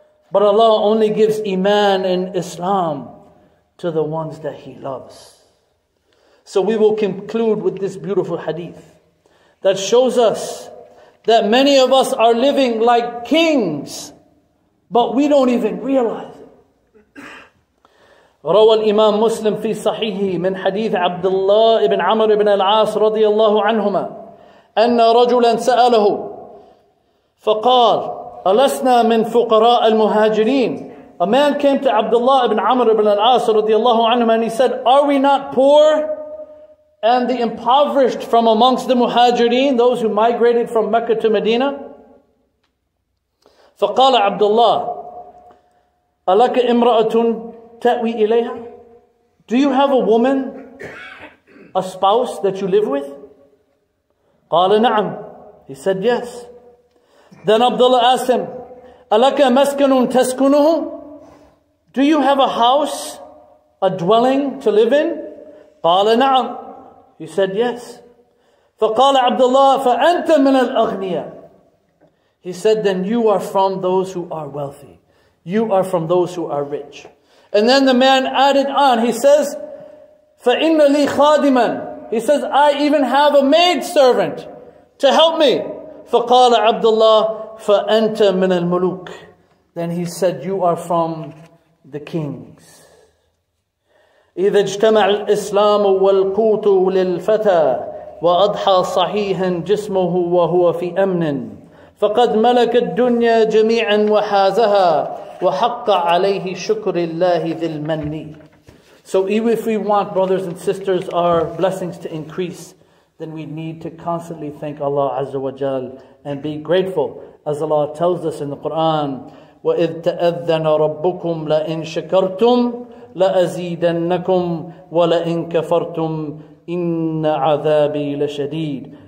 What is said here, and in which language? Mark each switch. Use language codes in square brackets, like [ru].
[en] But Allah only gives Iman and Islam to the ones that He loves. So we will conclude with this beautiful hadith that shows us that many of us are living like kings, but we don't even realize it. [ar] رواه الإمام مسلم في صحيحه من حديث عبد الله بن عمر بن العاص رضي الله عنهما أن رجلا سأله فقال ألسنا من فقراء المهاجرين. [en] A man came to Abdullah ibn Amr ibn al-As [ar] رضي الله عنهما [en] and he said, "Are we not poor and the impoverished from amongst the muhajireen, those who migrated from Mecca to Medina?" [ar] فقال عبد الله ألك امرأة تأوي إليها? [en] Do you have a woman, a spouse that you live with? [ar] قال نعم. [en] He said yes. Then Abdullah asked him, [ar] ألك مسكن تسكنه? [en] Do you have a house, a dwelling to live in? [ar] قال نعم. [en] He said yes. [ar] فقال عبد الله فأنت من الأغنياء. [en] He said, then you are from those who are wealthy. You are from those who are rich. And then the man added on. He says, [ar] فإن لي خادما. [en] He says, I even have a maid servant to help me. [ar] فقال عبد الله فأنت من الملوك. [en] Then he said, you are from the kings. [ar] إذا اجتمع الإسلام والقوت للفتى وأضحى صحيحا جسمه وهو في أمن فقد ملك الدنيا جميعا وحازها وحق عليه شكر الله ذي المني. [en] So if we want, brothers and sisters, our blessings to increase, then we need to constantly thank Allah Azza wa Jal and be grateful, as Allah tells us in the Quran, [ar] وَإِذْ تَأَذَّنَ رَبُّكُمْ لَإِنْ شَكَرْتُمْ لَأَزِيدَنَّكُمْ وَلَإِنْ كَفَرْتُمْ إِنَّ عَذَابِي لَشَدِيدٌ.